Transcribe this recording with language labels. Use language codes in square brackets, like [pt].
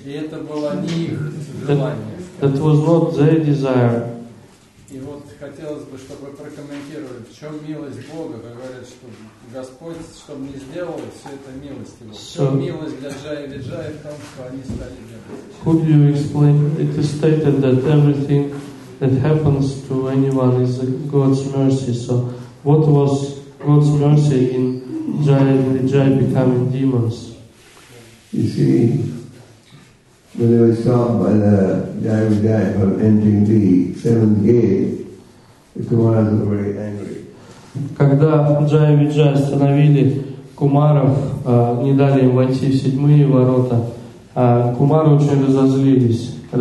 [ru] И это было не их желание. [en] That was not their desire. [ru] И вот хотелось бы, чтобы прокомментировали, в чем милость Бога, как говорят, что Господь, чтобы не сделал, все это милость его. So, милость для Джая Виджая в том, что они стали демонами. [en] Could you explain? It is stated that everything that happens to anyone is God's mercy. So what was God's mercy in Jai becoming demons? You see, when they were stopped by the Jai Vijay from entering the seventh gate, the Kumaras were very angry. [ru] Когда Jai Vijay остановили Кумаров, не дали им войти в седьмые ворота, Кумары очень разгневались.